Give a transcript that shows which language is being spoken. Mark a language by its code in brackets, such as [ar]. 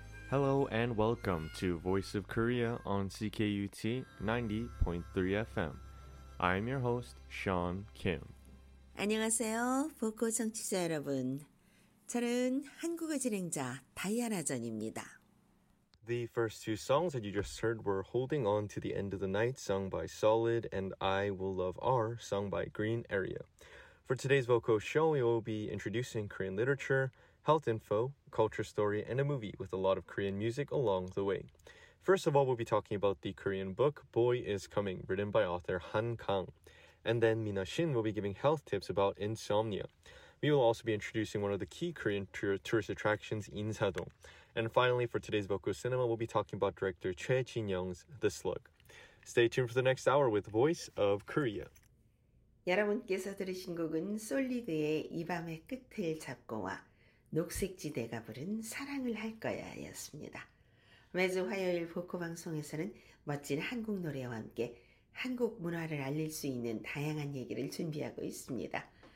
[en] Hello and welcome to Voice of Korea on CKUT 90.3 FM. I'm your host, Sean Kim. [ko] 안녕하세요, 보컬 청취자 여러분. 저는 한국어 진행자 다이아나 전입니다. [en] The first two songs that you just heard were Holding On to the End of the Night, sung by Solid, and I Will Love R, sung by Green Area. For today's vocal show, we will be introducing Korean literature, health info, culture story, and a movie with a lot of Korean music along the way. First of all, we'll be talking about the Korean book Boy is Coming, written by author Han Kang. And then Mina Shin will be giving health tips about insomnia. We will also be introducing one of the key Korean tourist attractions, Insadong. And finally, for today's Voco Cinema, we'll be talking about director Choi Jin-young's The Slug. Stay tuned for the next hour with Voice of Korea. [ko] 여러분께서 들으신 곡은 솔리드의 이 밤의 끝을 잡고와 녹색지대가 부른 사랑을 할 거야 였습니다. 매주 화요일 보코 방송에서는 멋진 한국 노래와 함께 한국 문화를 알릴 수 있는 다양한 얘기를 준비하고 있습니다.